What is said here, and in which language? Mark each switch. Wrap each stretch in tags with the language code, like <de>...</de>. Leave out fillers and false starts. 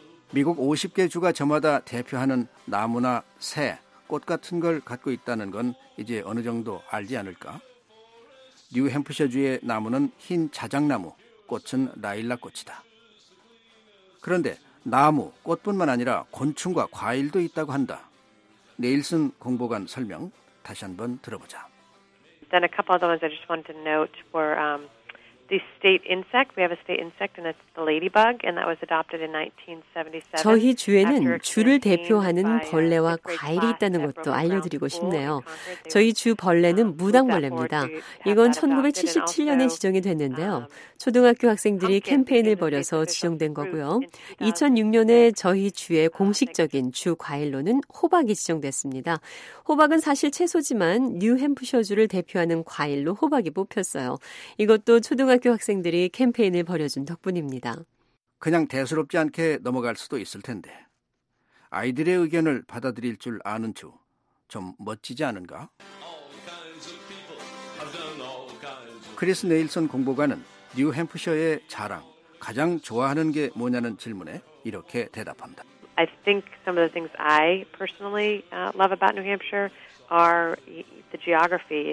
<ko>미국 50개 주가 저마다 대표하는 나무나 새, 꽃 같은 걸 갖고 있다는 건 이제 어느 정도 알지 않을까? 뉴햄프셔주의 나무는 흰 자작나무, 꽃은 라일락 꽃이다. 그런데 나무, 꽃뿐만 아니라 곤충과 과일도 있다고 한다. 네일슨 공보관 설명 다시 한번 들어보자.</ko> <en>Then a couple of the ones I just wanted to note were the state insect. We have a state insect, and it's the ladybug, and that was adopted in 1977.</en> <ko>저희 주에는 주를 대표하는 벌레와 과일이 있다는 것도 알려드리고 싶네요. 저희 주 벌레는 무당벌레입니다. 이건 1977년에 지정이 됐는데요. 초등학교 학생들이 캠페인을 벌여서 지정된 거고요. 2006년에 저희 주의 공식적인 주 과일로는 호박이 지정됐습니다. 호박은 사실 채소지만 뉴햄프셔주를 대표하는 과일로 호박이 뽑혔어요. 이것도 초등학교 학생들이 캠페인을 벌여준 덕분입니다. 그냥 대수롭지 않게 넘어갈 수도 있을 텐데 아이들의 의견을 받아들일 줄 아는 주 좀 멋지지 않은가? 크리스 네일슨 공보관은 뉴햄프셔의 자랑, 가장 좋아하는 게 뭐냐는 질문에 이렇게 대답합니다.</ko> <en>I think some of the things I personally love about New Hampshire are the geography.</en>